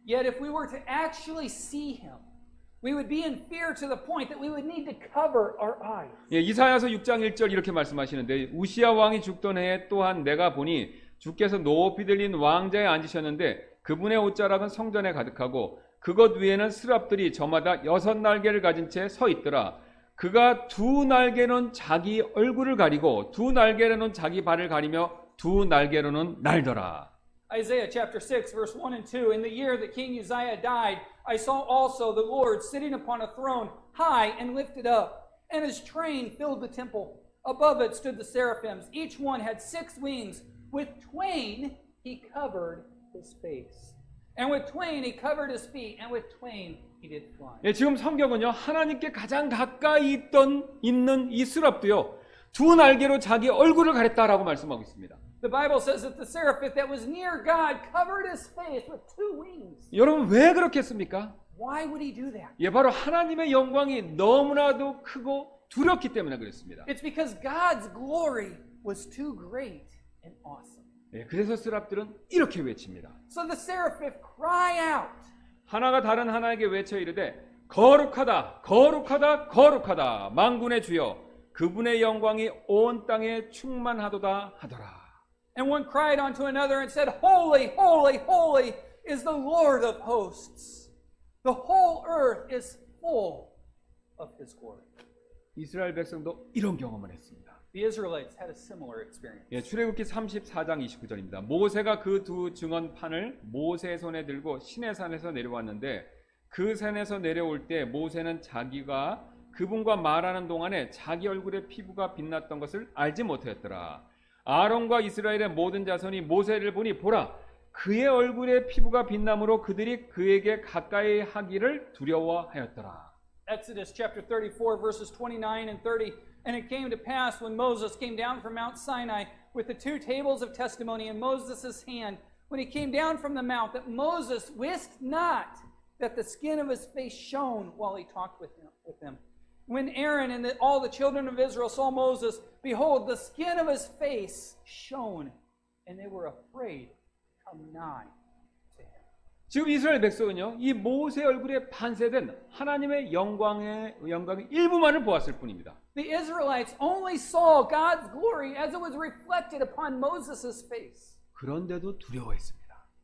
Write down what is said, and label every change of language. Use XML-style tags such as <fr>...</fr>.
<en>Yet if we were to actually see him, we would be in fear to the point that we would need to cover our eyes.</en> <ko>예, 이사야서 6장 1절 이렇게 말씀하시는데 우시아 왕이 죽던 해에 또한 내가 보니 주께서 높이 들린 왕좌에 앉으셨는데 그분의 옷자락은 성전에 가득하고 그것 위에는 스랍들이 저마다 여섯 날개를 가진 채 서 있더라. 그가 두 날개로는 자기 얼굴을 가리고 두 날개로는 자기 발을 가리며 두 날개로는 날더라.</ko> <en>Isaiah chapter 6 verse 1 and 2 In the year that King Uzziah died, I saw also the Lord sitting upon a throne high and lifted up, and his train filled the temple. Above it stood the seraphims. Each one had six wings. With twain he covered his face. And with twain he covered his feet, and with twain he did fly.</en> <ko>예, 지금 성경은요, 하나님께 가장 가까이 있는 이 스랍도요, 두 날개로 자기 얼굴을 가렸다라고 말씀하고 있습니다.</ko> <en>The Bible says that the seraphim that was near God covered his face with two wings.</en> <ko>여러분, 왜 그렇겠습니까?</ko> <en>Why would he do that?</en> <ko>예, 바로 하나님의 영광이 너무나도 크고 두렵기 때문에 그랬습니다.</ko> <en>It's because God's glory was too great and awesome.</en> <ko>예, 그래서 스랍들은 이렇게 외칩니다.</ko> <en>So the seraphim cry out.</en> <ko>하나가 다른 하나에게 외쳐 이르되 거룩하다, 거룩하다, 거룩하다, 만군의 주여, 그분의 영광이 온 땅에 충만하도다 하더라.</ko> <en>And one cried unto another and said, Holy, holy, holy is the Lord of hosts. The whole earth is full of his glory.</en> <ko>이스라엘 백성도 이런 경험을 했습니다.</ko> <en>The Israelites had a similar experience.</en> <ko>예, 출애굽기 34장 29절입니다. 모세가 그 두 증언판을 모세의 손에 들고 시내산에서 내려왔는데 그 산에서 내려올 때 모세는 자기가 그분과 말하는 동안에 자기 얼굴에 피부가 빛났던 것을 알지 못하였더라. 아론과 이스라엘의 모든 자손이 모세를 보니 보라 그의 얼굴에 피부가 빛나므로 그들이 그에게 가까이 하기를 두려워하였더라.</ko> <en>Exodus chapter 34 verses 29 and 30 And it came to pass when Moses came down from Mount Sinai with the two tables of testimony in Moses' hand, when he came down from the mount, that Moses wist not that the skin of his face shone while he talked with them. When Aaron and all the children of Israel saw Moses, behold, the skin of his face shone, and they were afraid to come nigh to him.</en> <ko>지금 이스라엘 백성은요, 이 모세 얼굴에 반세된 하나님의 영광의 일부만을 보았을 뿐입니다.</ko> <en>The Israelites only saw God's glory as it was reflected upon Moses' face.</en> <ko>그런데도 두려워했습니다.</ko>